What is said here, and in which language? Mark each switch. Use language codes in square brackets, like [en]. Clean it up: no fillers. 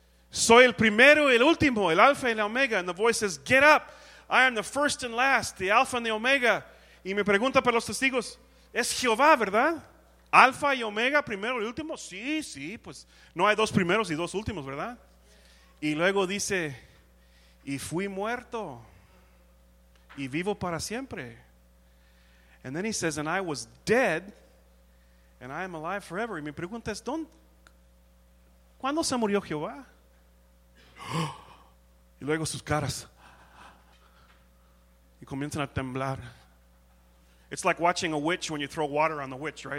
[es] Soy el primero y el último, el alfa y el omega. [en] And the voice says, get up. I am the first and last, the alfa and the omega. [es] Y me pregunta para los testigos, es Jehová, ¿verdad? Alfa y omega, primero y último. Sí, sí, pues no hay dos primeros y dos últimos, ¿verdad? Y luego dice... y fui muerto y vivo para siempre. [en] And then he says, and I was dead and I am alive forever. [es] Y mi pregunta es, ¿cuándo se murió Jehová? Y luego sus caras y comienzan a temblar. [en] It's like watching a witch when you throw water on the witch, right?